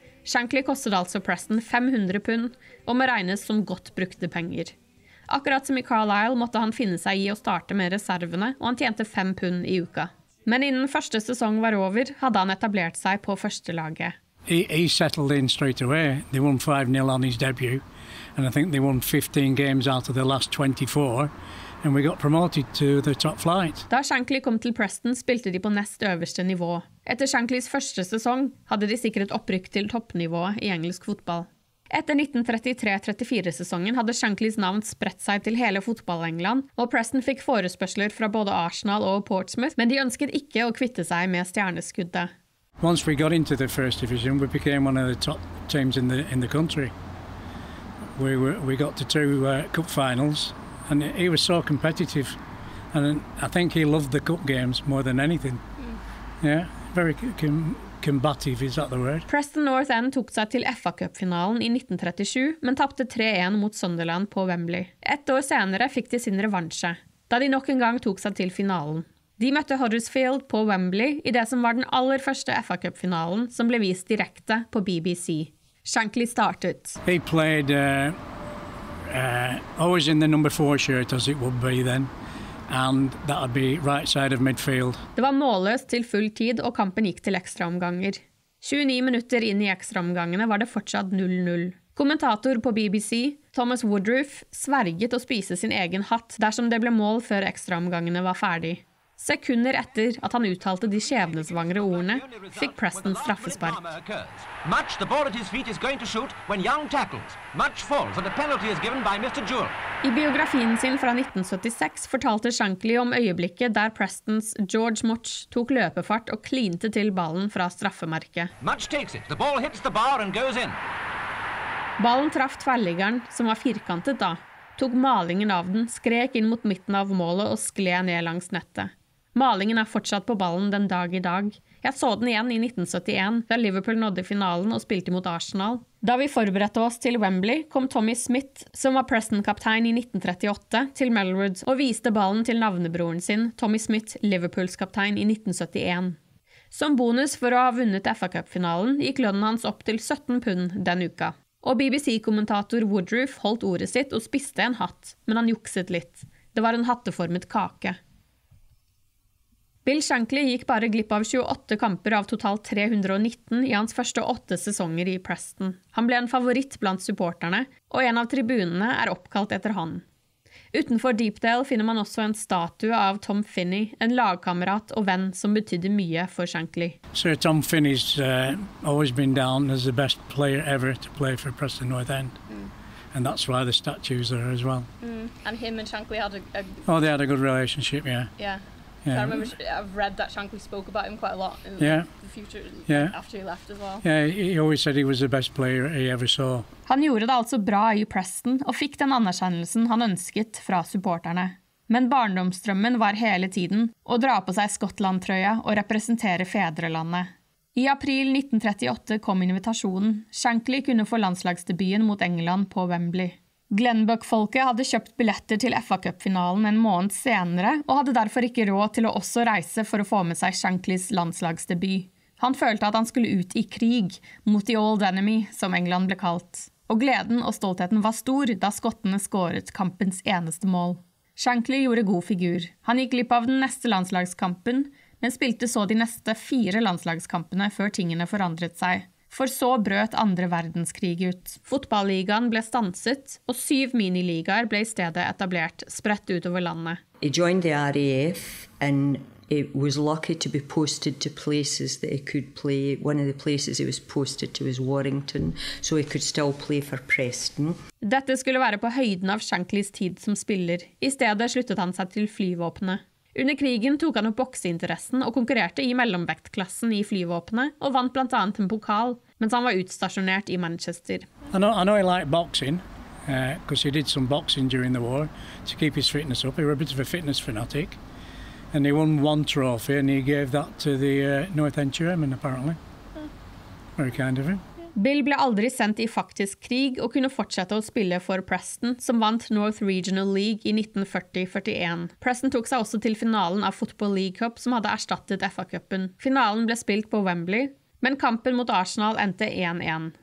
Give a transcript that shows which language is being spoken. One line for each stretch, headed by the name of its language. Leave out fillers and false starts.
Norwegian: Shankly kostet altså Preston 500 pund, og må regnes som godt brukte penger. Akkurat som i Carlisle måtte han finne seg i å starte med reservene, og han tjente 5 pund i uka. Men innen første sesong var over, hadde han etablert seg på førstelaget.
English: He settled in straight away. They won 5-0 on his debut. And I think they won 15 games out of the last 24. And we got promoted to the top flight.
Norwegian: Da Shankly kom til Preston, spilte de på nest øverste nivå. Etter Shanklys første sesong hadde de sikret opprykk til toppnivået i engelsk fotball. Etter 1933-34-sesongen hadde Shanklys navn spredt seg til hele fotball-England, og Preston fikk forespørsler fra både Arsenal og Portsmouth, men de ønsket ikke å kvitte seg med stjerneskuddet.
English: Once we got into the first division, we became one of the top teams in the country. We got to 2 cup finals, and he was so competitive, and I think he loved the cup games more than anything. Yeah, very combative, is that the word?
Norwegian: Preston North End tok seg til FA Cup-finalen i 1937, men tapte 3-1 mot Sunderland på Wembley. Et år senere fikk de sin revansje, da de nok en gang tok seg til finalen. De møtte Huddersfield på Wembley i det som var den aller første FA Cup-finalen som ble vist direkte på BBC.
English: Shankly started. He played always in the number 4 shirt, as it would be then, and that would be right side of midfield.
Norwegian: Det var målløst til full tid, og kampen gikk til ekstraomganger. 29 minutter inn i ekstraomgangene var det fortsatt 0-0. Kommentator på BBC, Thomas Woodruff, sverget å spise sin egen hatt dersom det ble mål før ekstraomgangene var ferdig. Sekunder etter at han uttalte de skjebnesvangre ordene, fikk Preston straffespark.
English: Much the ball at his feet is going to shoot when Young tackles. Much falls and a penalty is given by Mr. Jewell.
Norwegian: I biografien sin fra 1976 fortalte Shankly om øyeblikket der Prestons George Motch tok løpefart og klinte til ballen fra straffemerket.
English: Much takes it. The ball hits the bar and goes in.
Norwegian: Ballen traff tverrliggeren, som var firkantet da, tok malingen av den, skrek inn mot midten av målet og skled ned langs nettet. Malingen er fortsatt på ballen den dag i dag. Jeg så den igjen i 1971, da Liverpool nådde finalen og spilte mot Arsenal. Da vi forberedte oss til Wembley, kom Tommy Smith, som var Preston-kaptein i 1938, til Melwood og viste ballen til navnebroren sin, Tommy Smith, Liverpools kaptein i 1971. Som bonus for å ha vunnet FA Cup-finalen gikk lønnen hans opp til 17 pund den uka. Og BBC-kommentator Woodruff holdt ordet sitt og spiste en hatt, men han jukset litt. Det var en hatteformet kake. Bill Shankly gikk bare glipp av 28 kamper av totalt 319 i hans første 8 sesonger i Preston. Han ble en favoritt blant supporterne, og en av tribunene er oppkalt etter han. Utenfor Deepdale finner man også en statue av Tom Finney, en lagkamerat og venn som betydde mye for Shankly.
English: Sir Tom Finney's always been down as the best player ever to play for Preston North End. And that's why the statue's there as well. Mm. And him and Shankly had they had a good relationship, yeah. Yeah. Yeah. So I remember I've read that Shankly spoke about him quite a lot in the future, after he left as well. Yeah, he always said he was the best player he ever saw.
Norwegian: Han gjorde det altså bra I Preston og fikk den anerkjennelsen han ønsket fra supporterne. Men barndomsdrømmen var hele tiden å dra på seg Skottland-trøya og representere fedrelandet. I april 1938 kom invitasjonen. Shankly kunne få landslagsdebuten mot England på Wembley. Glenbuck-folket hadde kjøpt billetter til FA Cup-finalen en måned senere og hadde derfor ikke råd til å også reise for å få med seg Shanklys landslagsdebut. Han følte at han skulle ut I krig mot The Old Enemy, som England ble kalt. Og gleden og stoltheten var stor da skottene skåret kampens eneste mål. Shankly gjorde god figur. Han gikk glipp av den neste landslagskampen, men spilte så de neste fire landslagskampene før tingene forandret seg. For så brøt andre verdenskrig ut. Fotballligaen ble stanset, og 7 miniligaer ble I stedet etablert, spredt utover landet.
English: He joined the RAF and he was lucky to be posted to places that he could play. One of the places he was posted to was Warrington, so he could still play for Preston.
Norwegian: Dette skulle være på høyden av Shankly's tid som spiller. I stedet sluttet han seg til flyvåpenet. Under krigen tok han opp bokseinteressen og konkurrerte I mellomvektklassen I flyvåpenet og vant blant annet en pokal, mens han var utstasjonert I Manchester.
English: I know he liked boxing, because he did some boxing during the war to keep his fitness up. He was a bit of a fitness fanatic. And he won one trophy and he gave that to the North End chairman, apparently. Very kind of him.
Norwegian: Bill ble aldri sendt I faktisk krig og kunne fortsette å spille for Preston, som vant North Regional League I 1940-41. Preston tok seg også til finalen av Football League Cup, som hadde erstattet FA-cupen. Finalen ble spilt på Wembley, men kampen mot Arsenal endte 1-1.